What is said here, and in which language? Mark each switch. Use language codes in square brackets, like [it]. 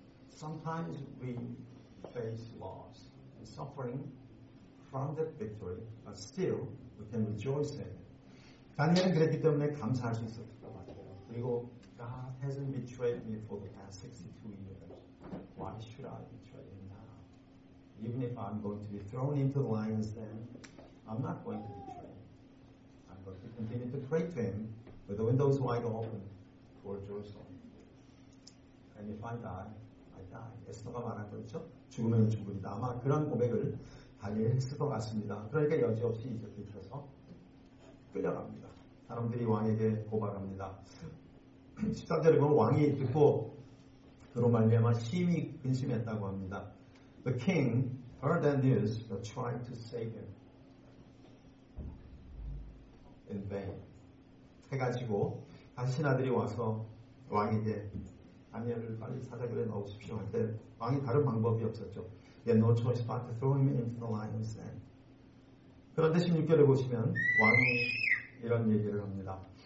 [en] Sometimes we face loss and suffering from that victory, but still we can rejoice in it. [ko] 다니엘은 그랬기 때문에 감사할 수 있었을 것 같아요. 그리고 [en] God hasn't betrayed me for the past 62 years. Why should I betray him now? Even if I'm going to be thrown into the lion's den, I'm not going to betray him. I'm going to continue to pray to him with the windows wide open for Jerusalem. And if I die, I die. [ko] 에스더가 말한 거죠. 죽으면 죽으리다. 아마 그런 고백을 다니엘 했을 것 같습니다. 그러니까 여지없이 이렇게 들어서 끌려갑니다. 사람들이 왕에게 고발합니다. 13절에 보면 왕이 듣고 그로 말미암아 심히 근심했다고 합니다. [en] The king heard that news but tried to save him in vain. [ko] 해가지고 신하들이 와서 왕에게 다니엘을 빨리 사자굴에 넣으십시오 할 때 왕이 다른 방법이 없었죠. [en] He had no choice but to throw him into the lion's den. [ko] 그런데 16절에 보시면 왕이 이런 얘기를 합니다.